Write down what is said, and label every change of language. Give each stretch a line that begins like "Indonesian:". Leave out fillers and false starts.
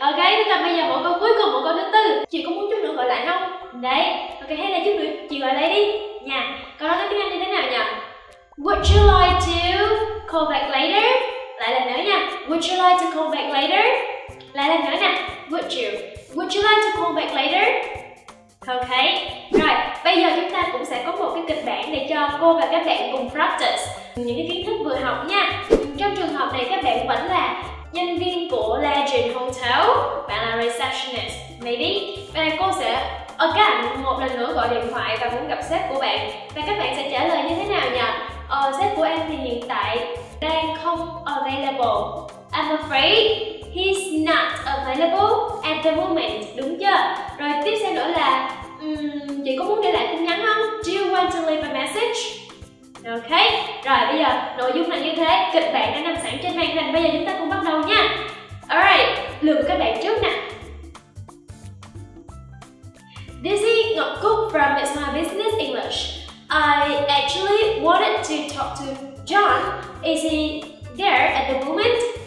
Vietnamese: Okay, thế là bây giờ mỗi câu cuối cùng, mỗi câu thứ tư. Chị có muốn chút nữa gọi lại không? Đấy. Okay, hay là chút nữa chị gọi lại đi. Nha. Câu đó tiếng Anh như thế nào nhỉ?
English: Would you like to call back later?
Vietnamese: Lại lần nữa nha.
English: Would you like to call back later?
Vietnamese: Lại lần nữa nè.
English: Would you like to call back later? Okay.
Vietnamese: Rồi, bây giờ chúng ta cũng sẽ có một cái kịch bản để cho cô và các bạn cùng practice những cái kiến thức vừa học nha. Trong trường hợp này các bạn vẫn là nhân viên của Legend Hotel, bạn là receptionist, maybe. Và cô sẽ again một lần nữa gọi điện thoại và muốn gặp sếp của bạn. Và các bạn sẽ trả lời như thế nào nhỉ? Sếp của em thì hiện tại đang không available.
English: I'm afraid he's not available at the moment.
Vietnamese: Đúng chưa? Rồi tiếp theo nữa là chị có muốn để lại tin nhắn không?
English: Do you want to leave a message? Ok.
Vietnamese: Rồi bây giờ nội dung là như thế. Kịch bản đã nằm sẵn trên màn hình. Bây giờ chúng ta cùng bắt đầu nha. Alright, lượt các bạn trước nè.
English: This is Ngọc Cúc from It's My Business English. I actually wanted to talk to John. Is he there at the moment?